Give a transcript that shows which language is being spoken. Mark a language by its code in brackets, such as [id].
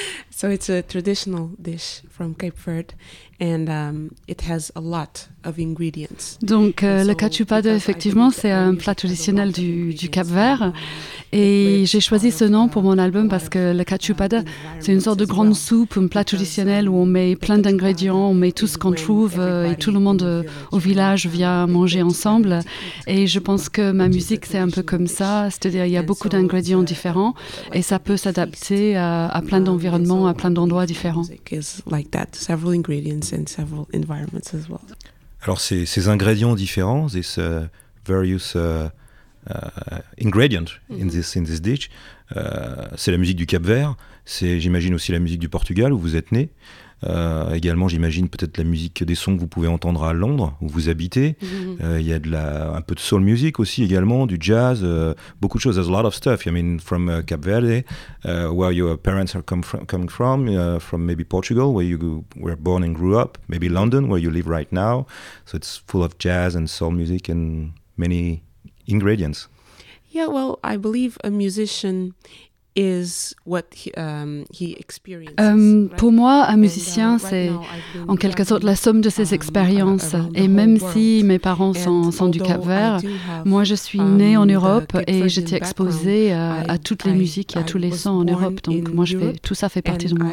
[en] So it's a traditional dish from Cape Verde, and it has a lot of ingredients. [fr] Donc le cachupada, effectivement, c'est un plat traditionnel du Cap Vert. Et j'ai choisi ce nom pour mon album parce que le cachupada, c'est une sorte de grande soupe, un plat traditionnel où on met plein d'ingrédients, on met tout ce qu'on trouve et tout le monde au village vient manger ensemble. Et je pense que ma musique, c'est un peu comme ça, c'est-à-dire il y a beaucoup d'ingrédients différents et ça peut s'adapter à plein d'environnements, à plein d'endroits différents. [en] Like that, several ingredients and several environments as well. [fr] Alors ces ingrédients différents, [en] these various ingredients [fr] mm-hmm. [en] in this dish, [fr] c'est la musique du Cap Vert, c'est j'imagine aussi la musique du Portugal où vous êtes né. Également j'imagine peut-être la musique des sons que vous pouvez entendre à Londres où vous habitez. Il y a un peu de soul music aussi également, du jazz, beaucoup de choses. [en] There's a lot of stuff. I mean, from Cap Verde, where your parents are coming from maybe Portugal, where you were born and grew up, maybe London, where you live right now. So it's full of jazz and soul music and many ingredients. Yeah, well, I believe a musician is what he experiences. [fr] Pour moi, un musicien, c'est en quelque sorte la somme de ses expériences. Et même si mes parents sont du Cap Vert, moi je suis née en Europe et j'étais exposée à toutes les musiques et à tous les sons en Europe. Donc moi, tout ça fait partie de moi.